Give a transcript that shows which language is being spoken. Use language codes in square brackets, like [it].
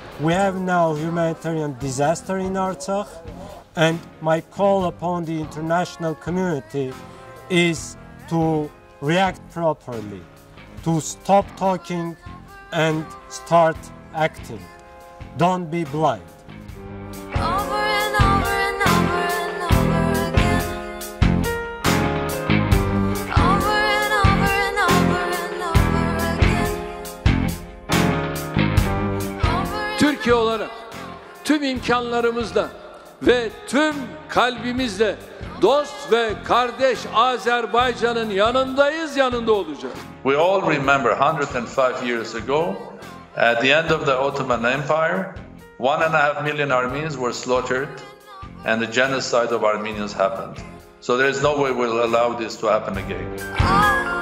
[en] We have now humanitarian disaster in Artsakh, and my call upon the international community is to react properly, to stop talking and start acting. Don't be blind. Over and over and over and over again. Over and over and over and over again. [tr] Türkiye olarak tüm imkanlarımızla ve tüm kalbimizle dost ve kardeş Azerbaycan'ın yanındayız, yanında olacağız. [en] We all remember 105 years ago, at the end of the Ottoman Empire, 1.5 million Armenians were slaughtered and the genocide of Armenians happened. So there is no way we'll allow this to happen again.